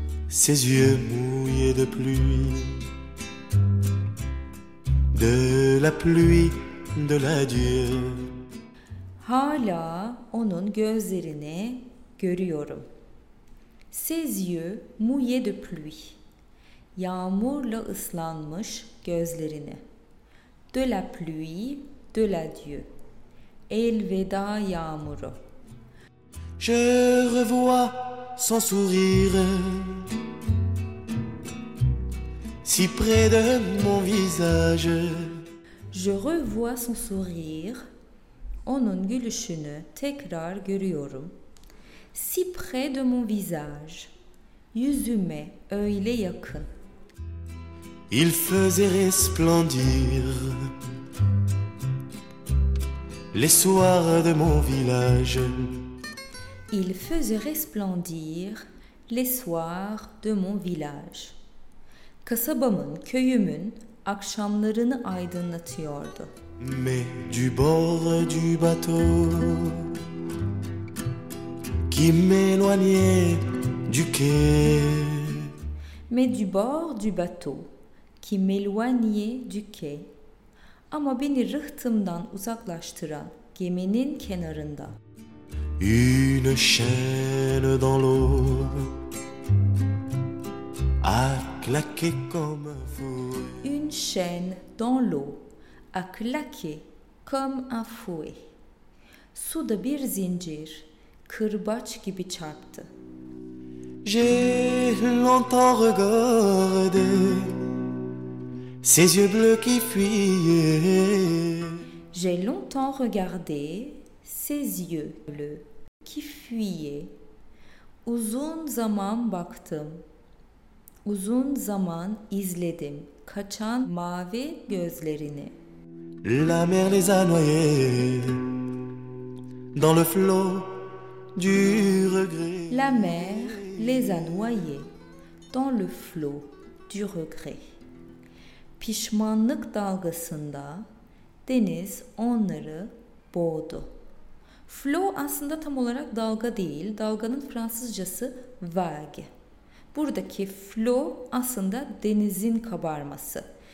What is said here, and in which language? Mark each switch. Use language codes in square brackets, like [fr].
[fr] Ses yeux mouillés de pluie, de la pluie, de la dieu. [tr] Hala onun gözlerini görüyorum. [fr] Ses yeux mouillés de pluie. [tr] Yağmurla ıslanmış gözlerini. [fr] De la pluie, de la dieu. [tr] Elveda yağmuru. [fr] Je revois son sourire si près de mon visage. Je revois son sourire. [tr] Onun gülüşünü tekrar görüyorum. [fr] Si près de mon visage. [tr] Yüzüme öyle yakın. [fr] Il faisait resplendir les soirs de mon village. Il faisait resplendir les soirs de mon village. [tr] Kasabamın, köyümün akşamlarını aydınlatıyordu. [fr] Mais du bord du bateau qui m'éloignait du quai. Mais du bord du bateau qui m'éloignait du quai. [tr] Ama beni rıhtımdan uzaklaştıran geminin kenarında. [fr] Une chaîne dans l'eau a claqué comme un fouet. Une chaîne dans l'eau a claqué comme un fouet. [tr] Suda bir zincir kırbaç gibi çarptı. [fr] J'ai longtemps regardé ses yeux bleus qui fuyaient. J'ai longtemps regardé ses yeux bleus qui fuyaient. [tr] Uzun zaman baktım. Uzun zaman izledim kaçan mavi gözlerini. [fr] La mer les a noyés dans le flot du regret. La mer les a noyés dans le flot du regret. [tr] Pişmanlık dalgasında deniz onları boğdu. Flow aslında tam olarak dalga değil. Dalganın Fransızcası vague. Buradaki flow aslında denizin kabarması.